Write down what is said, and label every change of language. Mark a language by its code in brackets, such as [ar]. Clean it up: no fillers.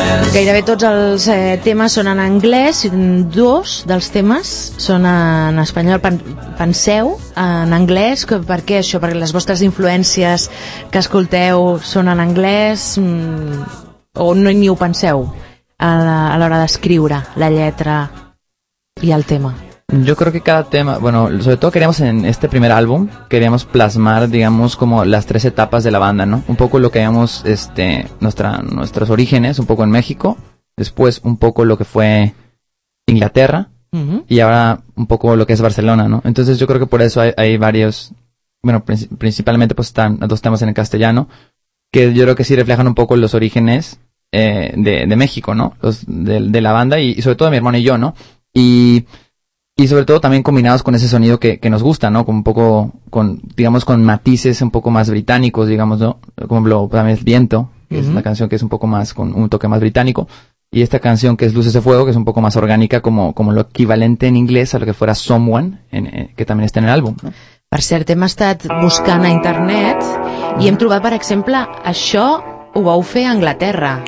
[ca] gairebé tots els temes són en anglès, dos dels temes són en espanyol. Penseu en anglès, per què això? Perquè les vostres influències que escolteu són en anglès o no ni ho penseu a l'hora d'escriure la lletra i el tema? [es] Yo creo que cada tema, bueno, sobre todo queríamos en este primer álbum, queríamos plasmar, digamos, como las tres etapas de la banda, ¿no? Un poco lo que habíamos, nuestros orígenes, un poco en México, después un poco lo que fue Inglaterra, uh-huh. y ahora un poco lo que es Barcelona, ¿no? Entonces yo creo que por eso hay varios, bueno, principalmente pues están dos temas en el castellano, que yo creo que sí reflejan un poco los orígenes de México, ¿no? De la banda y sobre todo de mi hermano y yo, ¿no? Y sobre todo también combinados con ese sonido que nos gusta, ¿no? Con un poco, con matices un poco más británicos, digamos, ¿no? Como también es Viento, que uh-huh. es una canción que es un poco más, con un toque más británico. Y esta canción que es Luces de Fuego, que es un poco más orgánica, como lo equivalente en inglés a lo que fuera Someone, que también está en el álbum, ¿no? [ca] Per cert, hem estat buscant a internet i hem trobat, per exemple, això ho vau fer a Anglaterra.